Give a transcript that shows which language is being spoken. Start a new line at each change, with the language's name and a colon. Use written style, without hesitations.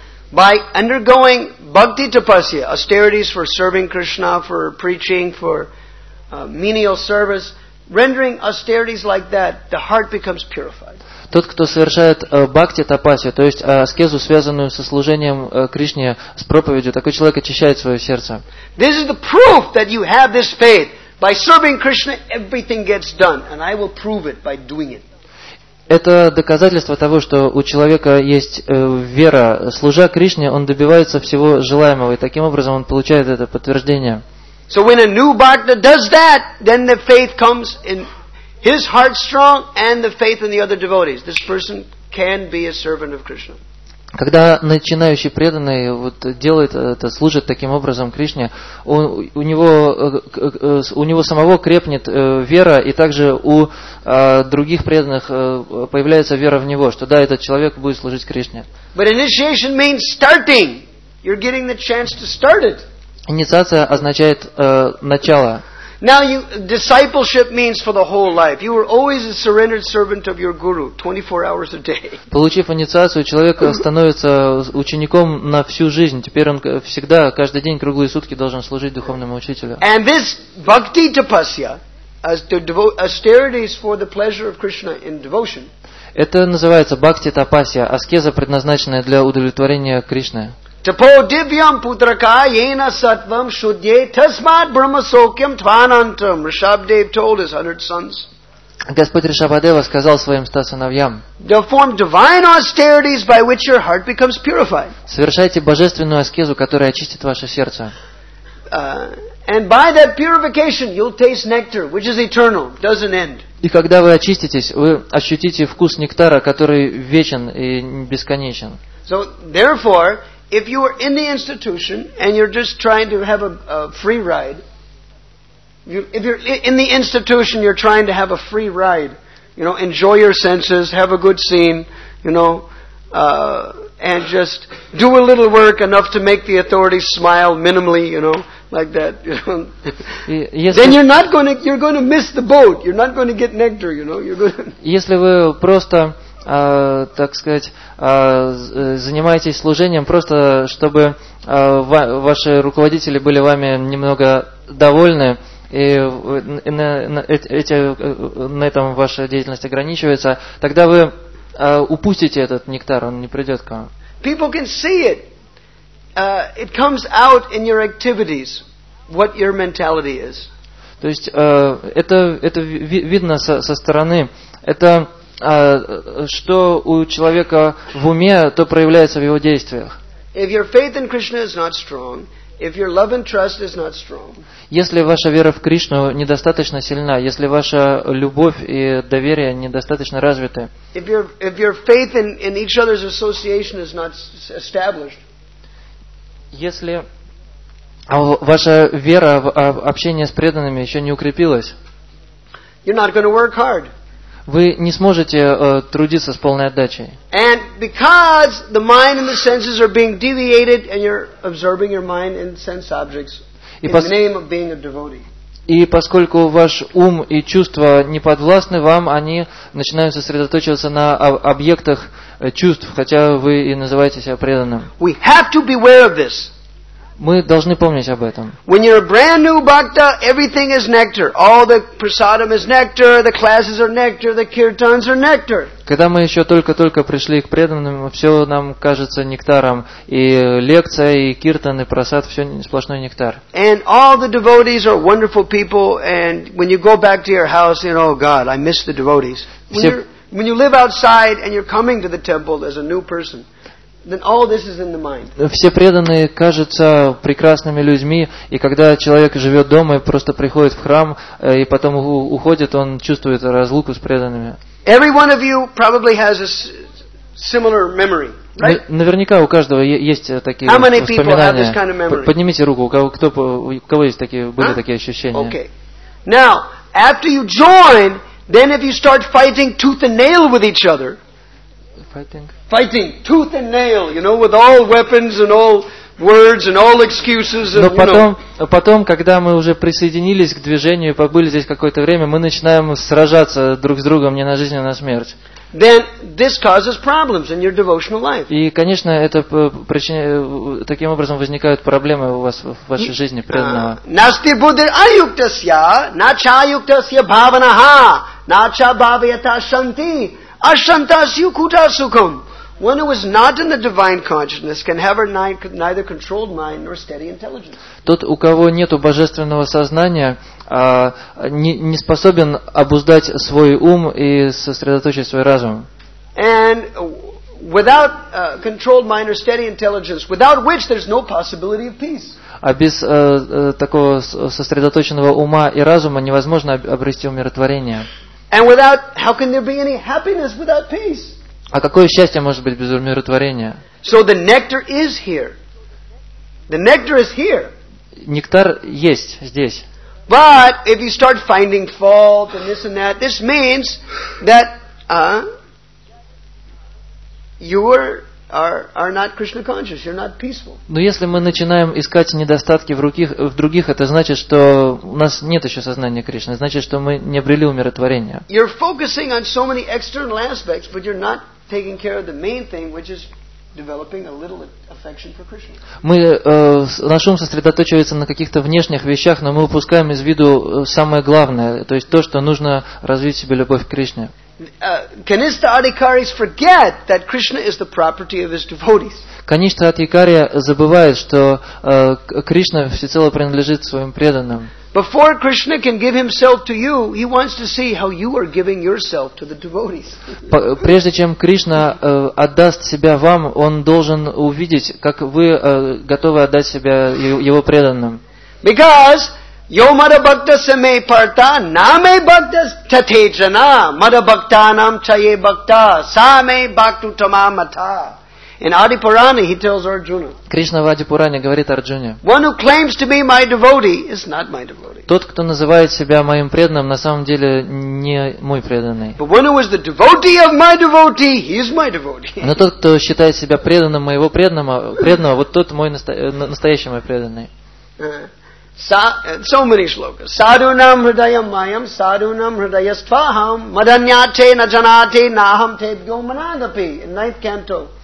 English: By undergoing bhakti tapasya, austerities for serving Krishna, for preaching, for menial service, rendering austerities like that, the heart becomes purified.
Russian: Тот, кто совершает бхакти тапасию, то есть аскезу, связанную со служением Кришне, с проповедью, такой человек очищает свое сердце.
English: This is the proof that you have this faith. By serving Krishna, everything gets done, and I will prove it by doing it.
Russian: Это доказательство того, что у человека есть вера. Служа Кришне, он добивается всего желаемого, и таким образом он получает это подтверждение.
English: So when a new bhakta does that, then the faith comes in his heart strong and the faith in the other devotees. This person can be a servant of Krishna.
Russian: Когда начинающий преданный вот делает это, служит таким образом Кришне, у него самого крепнет вера, и также у других преданных появляется вера в него, что да, этот человек будет служить Кришне.
English: But initiation means starting. You're getting the chance to start it.
Russian: Инициация означает начало.
English: Now, you, discipleship means for the whole life. You were always a surrendered servant of your guru, 24 hours a day.
Russian: Получив инициацию, человек становится учеником на всю жизнь. Теперь он всегда, каждый день, круглые сутки должен служить духовному учителю.
English: And this bhakti tapasya, as the austerities for the pleasure of Krishna in devotion.
Russian: Это называется бхакти тапасья, аскеза, предназначенная для удовлетворения Кришны.
Sanskrit: Тапо дивьям путрака ена саттвам шудье тасмат брахмасокьям тванантам.
English: Ришабхадева told his 100 sons.
Russian: Господь Ришабхадева сказал своим 100 сыновьям.
English: Perform divine austerities by which your heart becomes purified.
Russian: Совершайте божественную аскезу, которая очистит ваше сердце.
English: And by that purification you'll taste nectar, which is eternal, doesn't end.
Russian: И когда вы очиститесь, вы ощутите вкус нектара, который вечен и бесконечен.
English: So therefore, if you are in the institution and you're just trying to have a free ride, if you're in the institution, you're trying to have a free ride, you know, enjoy your senses, have a good scene, you know, and just do a little work enough to make the authorities smile minimally, you know, like that. Then you're going to miss the boat. You're not going to get nectar, you know.
Russian: Если вы просто, так сказать, занимаетесь служением просто чтобы ваши руководители были вами немного довольны, и на этом ваша деятельность ограничивается, тогда вы упустите этот нектар, он не придет к вам.
English: People can see it. It comes out in your activities, what your mentality is.
Russian: То есть это видно со стороны. Это что у человека в уме, то проявляется в его действиях.
English: If your faith in Krishna is not strong, if your love and trust is not strong.
Russian: Если ваша вера в Кришну недостаточно сильна, если ваша любовь и доверие недостаточно развиты.
English: If your faith in each other's association is not established.
Russian: Если ваша вера в общение с преданными еще не укрепилась.
English: You're not going to work hard.
Russian: Вы не сможете трудиться с полной отдачей.
English: And because the mind and the senses are being deviated and you're absorbing your mind and sense objects in the name of being a devotee.
Russian: И поскольку ваш ум и чувства не подвластны вам, они начинают сосредоточиваться на объектах чувств, хотя вы и называете себя преданным.
English: We have to beware of this.
Russian: Мы должны помнить об этом.
English: When you're a brand new bhakta, everything is nectar. All the prasadam is nectar, the classes are nectar, the kirtans are nectar.
Russian: Когда мы еще только-только пришли к преданным, все нам кажется нектаром. И лекция, и киртан, и прасад, все сплошной нектар.
English: And all the devotees are wonderful people, and when you go back to your house, you know, oh God, I miss the devotees. When you live outside and you're coming to the temple as a new person, then all this is in the mind.
Russian: Все преданные кажутся прекрасными людьми, и когда человек живет дома и просто приходит в храм и потом уходит, он чувствует разлуку с преданными.
English: Every one of you probably has a similar memory, right?
Russian: Наверняка у каждого есть такие воспоминания.
English: How many people have this kind of memory?
Russian: Поднимите руку, у кого есть такие, были такие ощущения?
English: Okay. Now, after you join, then if you start fighting tooth and nail with each other. Fighting tooth and nail, you know, with all weapons and all words and all excuses. And,
Russian: но потом,
English: you know,
Russian: потом, когда мы уже присоединились к движению и побыли здесь какое-то время, мы начинаем сражаться друг с другом не на жизнь, а на смерть.
English: Then this causes problems in your devotional life.
Russian: И, конечно, это таким образом возникают проблемы у вас в вашей жизни преданного.
Sanskrit: Насти будир аюктасья, нача аюктасья бхаванаха, нача бхавьята шанти. Ashantasyu kutasukam.
English: One who is not in the divine consciousness can have neither controlled mind nor steady intelligence.
Russian: Тот, у кого нету божественного сознания, не способен обуздать свой ум и сосредоточить свой разум.
English: And without controlled mind or steady intelligence, without which there's no possibility of peace.
Russian: А без такого сосредоточенного ума и разума невозможно обрести умиротворение.
English: And without, how can there be any happiness without peace?
Russian: А какое счастье может быть без умиротворения?
English: So the nectar is here. The nectar is here.
Russian: Нектар есть здесь.
English: But if you start finding fault and this and that, this means that you are are not Krishna conscious, you're not peaceful.
Russian: Но если мы начинаем искать недостатки в других, это значит, что у нас нет еще сознания Кришны, значит, что мы не обрели умиротворение.
English: You're focusing on so many external aspects, but you're not taking care of the main thing, which is developing a little affection for Krishna.
Russian: Мы наш ум сосредоточивается на каких-то внешних вещах, но мы упускаем из виду самое главное, то есть то, что нужно развить в себе любовь к Кришне.
English: Kanishtha adhikaris forget that Krishna is the property of his devotees.
Russian: Kanishtha adhikari забывает, что Кришна всецело принадлежит своим преданным.
English: Before Krishna can give himself to you, he wants to see how you are giving yourself to the devotees.
Russian: Прежде чем Кришна отдаст себя вам, он должен увидеть, как вы готовы отдать себя его преданным.
English: Because
Sanskrit: Yomada Bhakta Same Parta Name Bhakta Tatejana Mada Bhaktanam Chaye Bhakta Same Bhaktu Tamamata.
English: In Adipurana he tells Arjuna.
Russian: Krishna в Адипуране говорит Арджуне.
English: One who claims to be my devotee is not my devotee.
Russian: Тот, кто называет себя моим преданным, на самом деле не мой преданный.
English: But one who is the devotee of my devotee, he is my devotee.
Russian: Но тот, кто считает себя преданным моего преданного, вот тот мой настоящий мой преданный.
English: So many shlokas.
Sanskrit: Sadunam hridayam mayam, sadunam hridayastvaham, madanyate na janate naham tebhyo managapi.
English: In ninth canto.